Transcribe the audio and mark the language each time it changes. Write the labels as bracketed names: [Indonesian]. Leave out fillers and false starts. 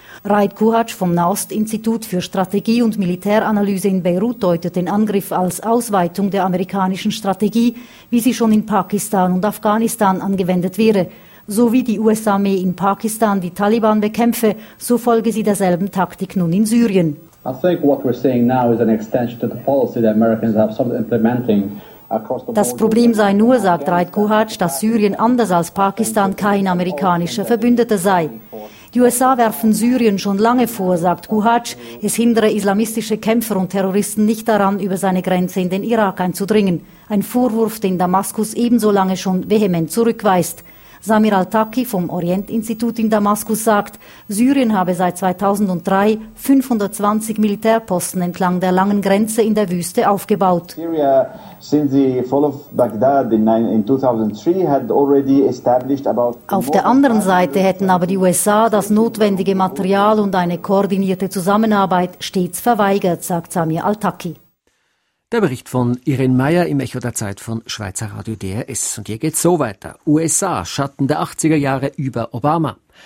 [German] Raed Kuhac vom Nahost-Institut für Strategie und Militäranalyse in Beirut deutet den Angriff als Ausweitung der amerikanischen Strategie, wie sie schon in Pakistan und Afghanistan angewendet wäre. So wie die US-Armee in Pakistan die Taliban bekämpfe, so folge sie derselben Taktik nun in Syrien. [English] I think what we're seeing now is an extension to the policy that Americans have started implementing. [German] Das Problem sei nur, sagt Raed Kuhac, dass Syrien anders als Pakistan kein amerikanischer Verbündeter sei. Die USA werfen Syrien schon lange vor, sagt Kuhac, es hindere islamistische Kämpfer und Terroristen nicht daran, über seine Grenze in den Irak einzudringen. Ein Vorwurf, den Damaskus ebenso lange schon vehement zurückweist. Samir al-Taki vom Orientinstitut in Damaskus sagt, Syrien habe seit 2003 520 Militärposten entlang der langen Grenze in der Wüste aufgebaut. [English] Syria, since the fall of Baghdad in 2003, had already established about. [German] Auf der anderen Seite hätten aber die USA das notwendige Material und eine koordinierte Zusammenarbeit stets verweigert, sagt Samir al-Taki. Der Bericht von Irin Meyer im Echo der Zeit von Schweizer Radio DRS. Und hier geht's so weiter. USA, Schatten der 80er Jahre über Obama.